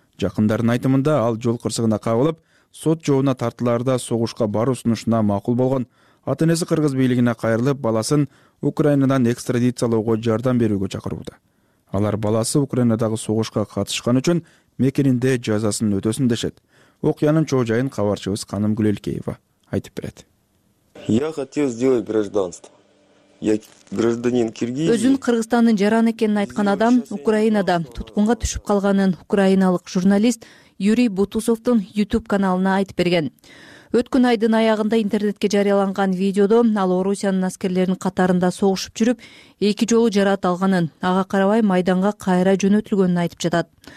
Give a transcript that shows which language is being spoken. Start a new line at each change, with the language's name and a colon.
Kyrgyz: Жакындарынын айтымында ал жол кырсыгына кабылып, сот жообуна тартыларда согушка баруу сунушуна макул болгон. Ата-энеси кыргыз бийлигине кайрылып, баласын Украинадан экстрадициялоого жардам берүүгө чакырууда. Алар баласы Украинадагы согушка катышкан үчүн мекенинде жазасын өтөсүн дешет. Окуянын чоо жайын кабарчыбыз Каным Гүлелкеева айтып берет.
Russian: Я хотел сделать гражданство. Я гражданин Киргизии.
Kyrgyz: Өзүн Кыргызстандын жаран экенин айткан адам Украинада туткунга түшүп калганын украиналык журналист Юрий Бутусовдун YouTube каналына айтып берген. Өткөн айдын аягында интернетке жарыяланган видеодо ал Орусиянын аскерлеринин катарында согушуп жүрүп, эки жолу жараат алганын, ага карабай майданга кайра жөнөтүлгөнүн айтып жатат.